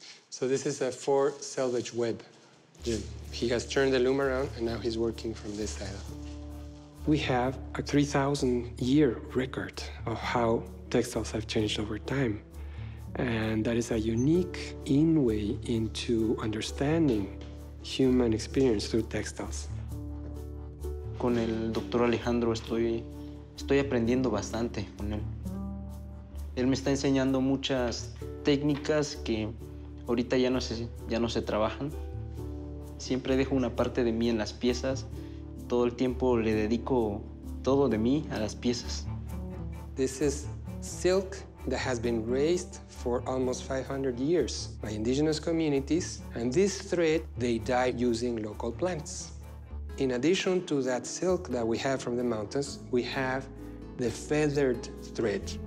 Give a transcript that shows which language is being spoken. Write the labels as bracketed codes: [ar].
[en] So this is a four selvage web, Jim. He has turned the loom around and now he's working from this side. We have a 3,000-year record of how textiles have changed over time. And that is a unique inway into understanding human experience through textiles. [es] Con el doctor Alejandro estoy aprendiendo bastante con él. Él me está enseñando muchas técnicas que ahorita ya no se trabajan. Siempre dejo una parte de mí en las piezas. Todo el tiempo le dedico todo de mí a las piezas. [en] This is silk that has been raised for almost 500 years by indigenous communities. And this thread, they dye using local plants. In addition to that silk that we have from the mountains, we have the feathered thread.